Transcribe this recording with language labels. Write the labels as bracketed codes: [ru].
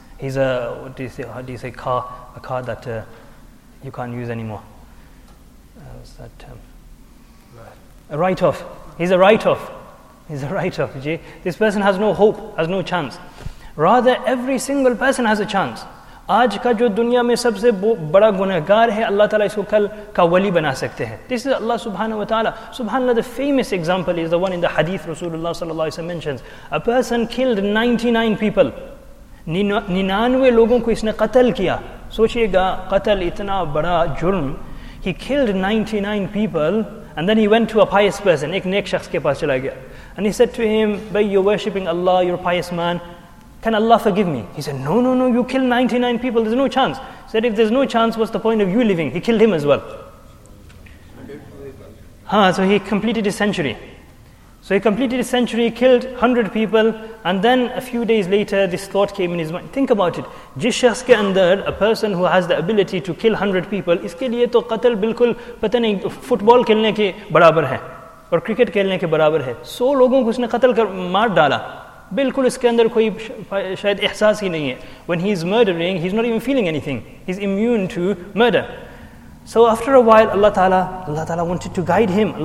[en] He's a, what do you say, car, a car that you can't use anymore. What's that term? A write-off. He's a write-off. This person has no hope, has no chance. Rather, every single person has a chance. [ur] آج کا جو دنیا میں سب سے بڑا گنہگار ہے, اللہ تعالیٰ اس کو کل کا ولی بنا سکتے ہیں. [en] This is Allah subhanahu wa ta'ala. Subhanallah, the famous example is the one in the hadith Rasulullah sallallahu alayhi wa sallam mentions. A person killed 99 people. [ur] 99 لوگوں کو اس نے قتل کیا. سوچئے گا, قتل اتنا بڑا جرم. [en] He killed 99 people and then he went to a pious person. [ur] ایک نیک شخص کے پاس چلا گیا. [en] And he said to him, "Bhai, you're worshipping Allah, you're a pious man. Can Allah forgive me?" He said, no, you kill 99 people, there's no chance. said, if there's no chance, what's the point of you living? He killed him as well. So he completed his century. So he completed his century, killed 100 people, and then a few days later, this thought came in his mind. Think about it. [ur] جس شخص کے اندر, [en] a person who has the ability to kill 100 people, [ur] اسکے لیے تو قتل بالکل پتا نہیں, football کھیلنے کے برابر ہے, اور cricket کھیلنے کے برابر ہے. 100 لوگوں کو اس نے قتل کر مار ڈالا. بالکل اسکے اندر کوئی شاید احساس ہی نہیں ہے. [en] When he is murdering, he's not even feeling anything. He's immune to murder. So after a while, Allah Ta'ala wanted to guide him.